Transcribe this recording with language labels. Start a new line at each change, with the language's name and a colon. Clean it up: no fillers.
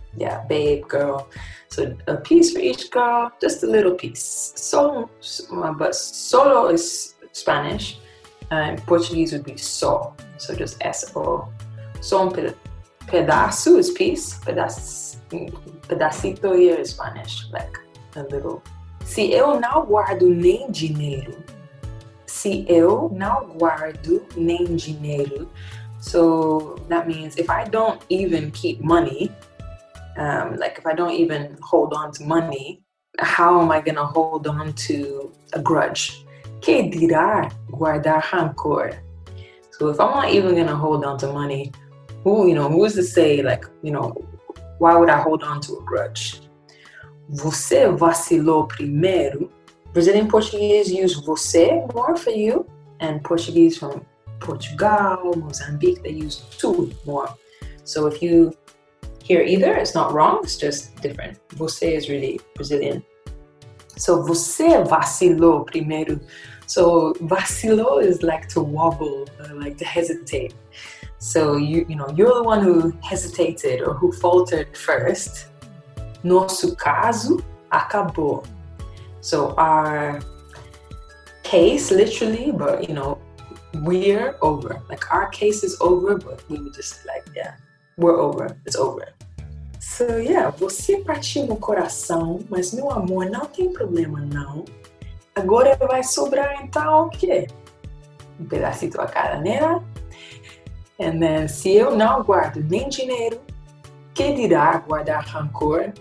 English: Yeah, babe, girl. So a piece for each girl, just a little piece. But solo is Spanish, and Portuguese would be só. So just S-O.
Portuguese: Só um pedaço
English: is piece. Pedacito here is Spanish, like a little.
Portuguese: Se eu não guardo nem dinheiro. Se eu não guardo nem dinheiro.
English: So that means if I don't even keep money, like if I don't even hold on to money, how am I going to hold on to a grudge?
Portuguese: Que dirá guardar rancor?
English: So if I'm not even going to hold on to money, who's to say, like, you know, why would I hold on to a grudge?
Portuguese: Você vacilou primeiro.
English: Brazilian Portuguese use você more for you, and Portuguese from Portugal, Mozambique, they use tu more. So if you hear either, it's not wrong, it's just different. Você is really Brazilian.
Portuguese: So você vacilou primeiro.
English: So vacilou is like to wobble, like to hesitate. So you know, you're the one who hesitated or who faltered first.
Portuguese: Nosso caso acabou.
English: So our case, literally, but you know, we're over. Like our case is over, but we were just like, yeah, we're over, it's over.
Portuguese: So yeah, você partiu meu coração, mas meu amor, não tem problema não. Agora vai sobrar então o quê? Um pedacito a cada nena. And then, se eu não guardo nem dinheiro, que dirá guardar rancor?